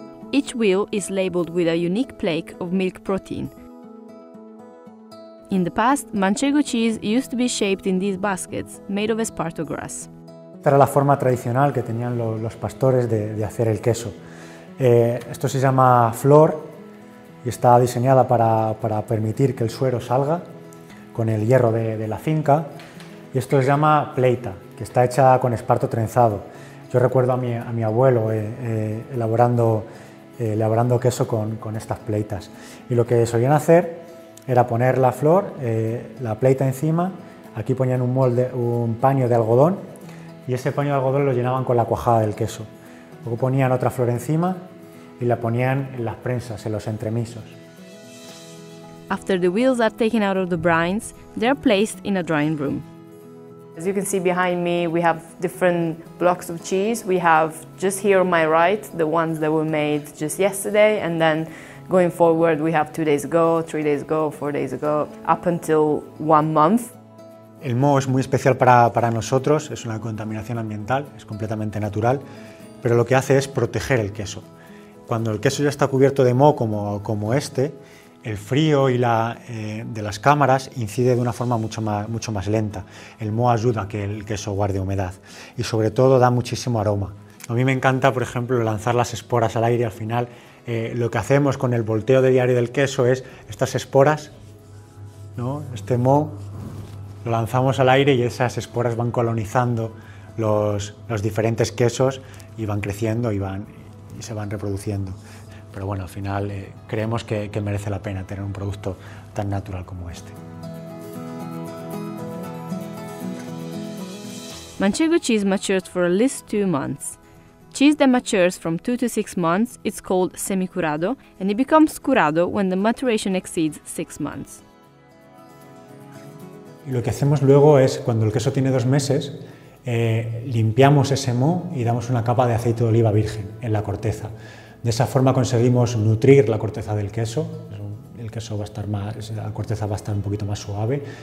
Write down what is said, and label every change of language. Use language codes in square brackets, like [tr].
[en] Each wheel is labeled with a unique plaque of milk protein. In the past, manchego cheese used to be shaped in these baskets, made of esparto grass. [es] Esta era la forma tradicional que tenían los pastores de hacer el queso. Esto se llama flor. Y está diseñada para permitir que el suero salga con el hierro de la finca. Y esto se llama pleita, que está hecha con esparto trenzado. Yo recuerdo a mi abuelo elaborando queso con estas pleitas. Y lo que solían hacer era poner la flor, la pleita encima. Aquí ponían un molde, un paño de algodón. Y ese paño de algodón lo llenaban con la cuajada del queso. Luego ponían otra flor encima y la ponían en las prensas, en los entremisos. [en] After the wheels are taken out of the brines, they are placed in a drying room. As you can see behind me, we have different blocks of cheese. We have just here on my right, the ones that were made just yesterday, and then going forward, we have 2 days ago, 3 days ago, 4 days ago, up until 1 month. [es] El moho es muy especial para nosotros, es una contaminación ambiental, es completamente natural, pero lo que hace es proteger el queso. Cuando el queso ya está cubierto de moho como este, el frío y de las cámaras incide de una forma mucho más lenta. El moho ayuda a que el queso guarde humedad y sobre todo da muchísimo aroma. A mí me encanta, por ejemplo, lanzar las esporas al aire. Al final lo que hacemos con el volteo de diario del queso es estas esporas, ¿no? Este moho lo lanzamos al aire y esas esporas van colonizando los diferentes quesos y van creciendo y se van reproduciendo, pero bueno, al final creemos que merece la pena tener un producto tan natural como este. [en] Manchego cheese matures for at least 2 months. cheese that matures from 2 to 6 months is called semi-curado, and it becomes curado when the maturation exceeds 6 months. [es] Lo que hacemos luego es, cuando el queso tiene 2 meses, limpiamos ese moho y damos una capa de aceite de oliva virgen en la corteza. De esa forma conseguimos nutrir la corteza del queso. El queso va a estar más, la corteza va a estar un poquito más suave.